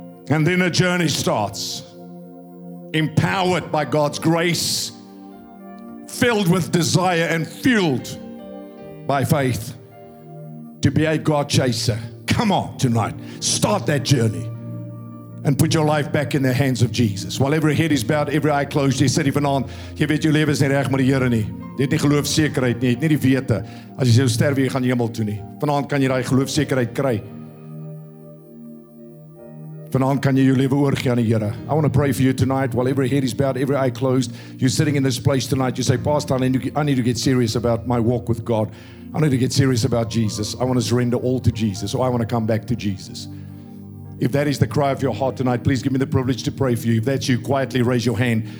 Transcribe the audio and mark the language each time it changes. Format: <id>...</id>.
<en>And then a journey starts. Empowered by God's grace, filled with desire and fueled by faith to be a God chaser. Come on tonight, start that journey and put your life back in the hands of Jesus. While every head is bowed, every eye closed,</en> <af>jy sê die vanaand, jy weet jou lewe is nie reg met die Here nie. Jy het nie geloofsekerheid nie, jy het nie die wete. As jy sou sterf, jy gaan hemel toe nie. Vanaand kan jy daai geloofsekerheid kry. Vanaand kan jy jou lewe oorgee aan die Here.</af> <en>I want to pray for you tonight, while every head is bowed, every eye closed. You're sitting in this place tonight, you say, Pastor, I need to get serious about my walk with God. I need to get serious about Jesus. I want to surrender all to Jesus, or I want to come back to Jesus. If that is the cry of your heart tonight, please give me the privilege to pray for you. If that's you, quietly raise your hand.</en>